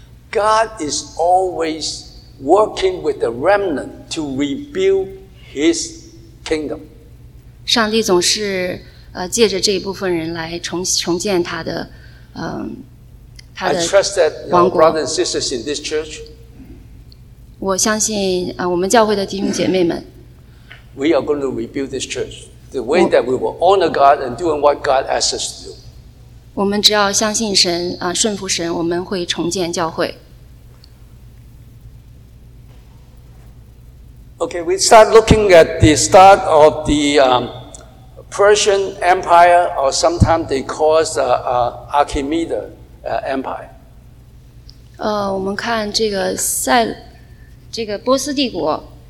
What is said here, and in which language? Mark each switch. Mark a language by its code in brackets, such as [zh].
[en] God is always working with the remnant to rebuild His kingdom. [zh] 上帝总是借着这一部分人来重建他的 [en] I trust that your brothers and sisters in this church. [zh] 我相信我们教会的弟兄姐妹们。 [en] We are going to rebuild this church the way that we will honor God and doing what God asks us to do. [zh] 我们只要相信神顺服神，我们会重建教会。 [en] Okay, we start looking at the start of the Persian Empire, or sometimes they call it Archimedes. Empire. [zh] 我们看这个波斯帝国。